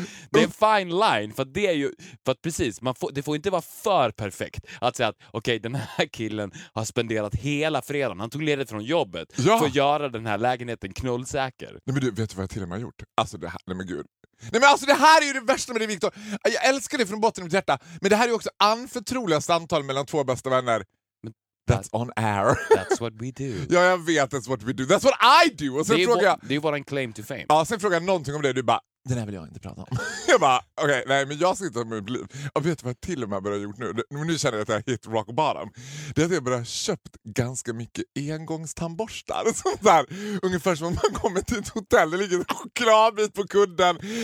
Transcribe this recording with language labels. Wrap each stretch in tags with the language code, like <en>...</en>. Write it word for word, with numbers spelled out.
<sv>Det är en fine line för det är ju för att precis man får, det får inte vara för perfekt att säga att okej okay, den här killen har spenderat hela fredagen. Han tog ledigt från jobbet ja. för att göra den här lägenheten knullsäker. Nej men du vet du vad jag till och med har gjort? Alltså det här, nej men gud. Nej men alltså det här är ju det värsta med det Victor. Jag älskar det från botten av mitt hjärta. Men det här är ju också anförtroliga samtal mellan två bästa vänner. Men</sv> <en>that, that's on air. That's what we do.</en> <sv>Ja jag vet,</sv> <en>that's what we do. That's what I do.</en> <sv>Och sen det är frågar jag, det är vår</sv> <en>claim to fame.</en> <sv>Ja sen frågar jag någonting om det du bara Den här vill jag inte prata om. Jag bara, okej, okay, nej men jag sitter med mitt liv. Jag vet vad jag till och med börjar gjort nu. Nu känner jag att jag har</sv> <en>hit rock bottom.</en> <sv>Det är att jag börjar köpt ganska mycket engångstandborstar. Sånt där. Ungefär som om man kommer till ett hotell. Det ligger en chokladbit på kudden.</sv>